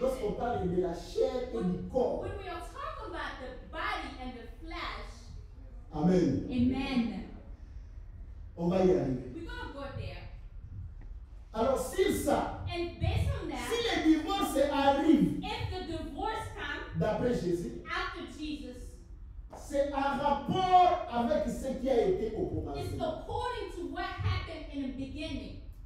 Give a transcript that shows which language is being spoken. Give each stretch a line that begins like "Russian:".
French: Lorsqu'on parle de la chair et du corps.
English: When we are talking about the body and the flesh.
French: Amen.
English: Amen.
French: On va y arriver.
English: We're gonna go there.
French: Alors si ça,
English: and based on that,
French: si le divorce arrive,
English: if the divorce comes,
French: d'après Jésus,
English: after Jesus,
French: c'est en rapport avec ce qui a été au commencement.
English: It's according to what happened in the beginning.